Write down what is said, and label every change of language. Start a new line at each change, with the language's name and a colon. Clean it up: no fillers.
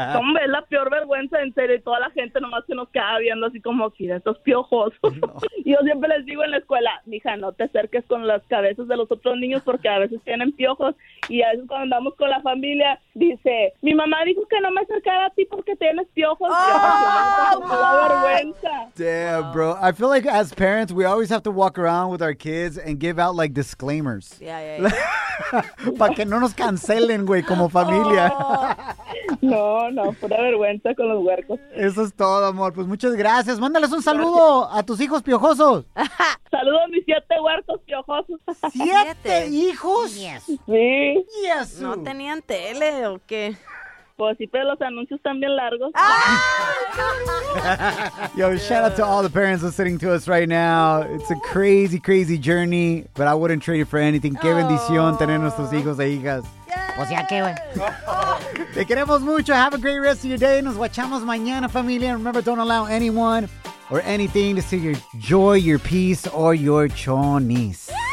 Spanish: Hombre, es la peor vergüenza, en serio, y toda la gente nomás se nos queda viendo así como, mira, estos piojos. Y yo siempre les digo en la escuela, mija, no te acerques con las cabezas de los otros niños porque a veces tienen piojos. Y a veces cuando andamos con la familia, dice, mi mamá dijo que no me acercara a ti porque tienes piojos. Oh, la vergüenza.
English: Damn, bro. I feel like as parents, we always have to walk around with our kids and give out like disclaimers. Yeah.
Spanish: Para que no nos cancelen, güey, como familia. No, pura vergüenza con los huercos. Eso es todo, amor. Pues muchas gracias. Mándales un saludo a tus hijos piojosos. Saludos a mis 7 huercos piojosos. ¿7 hijos?
English: Yes.
Spanish: Sí.
English: Yes.
Spanish: ¿No tenían tele o qué? Pues sí, pero los anuncios están bien largos.
English: Yo, shout out to all the parents listening to us right now. It's a crazy, crazy journey, but I wouldn't trade it for anything.
Spanish: Qué bendición tener nuestros hijos e hijas. O sea, qué bueno. Te queremos mucho.
English: Have a great rest of your day.
Spanish: Nos guachamos mañana, familia.
English: And remember, don't allow anyone or anything to steal your joy, your peace, or your chonis.